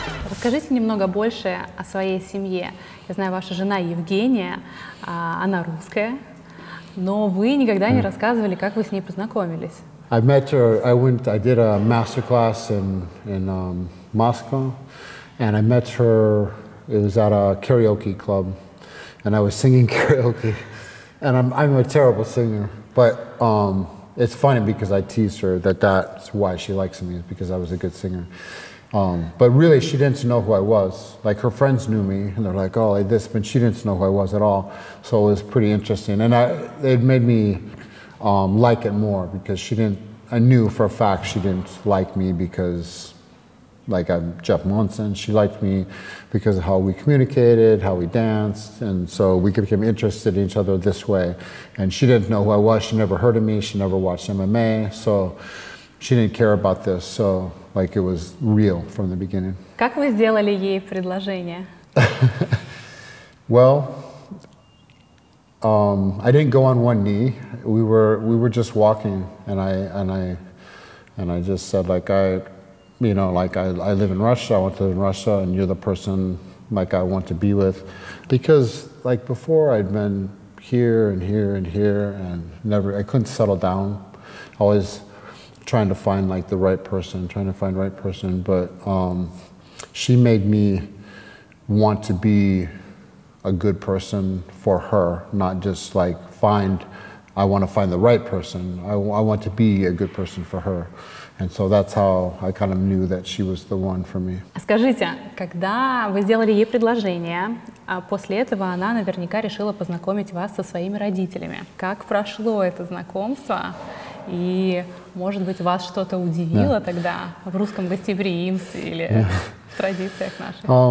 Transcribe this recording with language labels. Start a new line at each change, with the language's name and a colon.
Russian: Расскажите немного больше о своей семье. Я знаю, ваша жена Евгения, она русская, но вы никогда не рассказывали, как вы с ней познакомились.
English: I met her. I did a masterclass in Moscow, and I met her. It was at a karaoke club, and I was singing karaoke, and I'm a terrible singer, but it's funny because I teased her that's why she likes me, because I was a good singer. But really, she didn't know who I was. Like, her friends knew me, and they're like, oh, like this, but she didn't know who I was at all. So it was pretty interesting. And it made me like it more, because I knew for a fact she didn't like me because, like, I'm Jeff Monson. She liked me because of how we communicated, how we danced, and so we became interested in each other this way. And she didn't know who I was. She never heard of me. She never watched MMA. So she didn't care about this. So, like, it was real from the beginning.
Russian: Как вы сделали ей предложение?
English: Well, I didn't go on one knee. We were just walking, and I just said, like, I live in Russia. I want to live in Russia, and you're the person like I want to be with, because like before I'd been here and here and here, and never I couldn't settle down. Always trying to find like the right person, But she made me want to be a good person for her, not just like I want to find the right person. I want to be a good person for her. And so that's how I kind of knew that she was the one for me.
Russian: Скажите, когда вы сделали ей предложение, а после этого она наверняка решила познакомить вас со своими родителями. Как прошло это знакомство? И, может быть, вас что-то удивило тогда в русском гостеприимстве или в традициях наших?